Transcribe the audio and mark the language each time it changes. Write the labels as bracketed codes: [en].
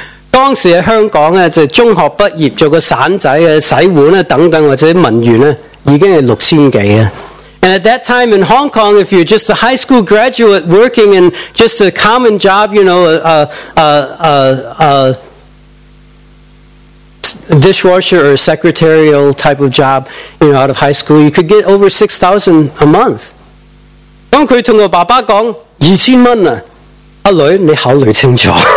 [yue] 当时在香港啊，就中学毕业做个散仔啊，洗碗啊等等，或者文员啊，已经是6000几啊。 [en] And at that time in Hong Kong, if you're just a high school graduate working in just a common job, you know, a dishwasher or a secretarial type of job, you know, out of high school, you could get over $6,000 a month. [yue] 当佢同我爸爸讲2000蚊啊，阿女你考虑清楚。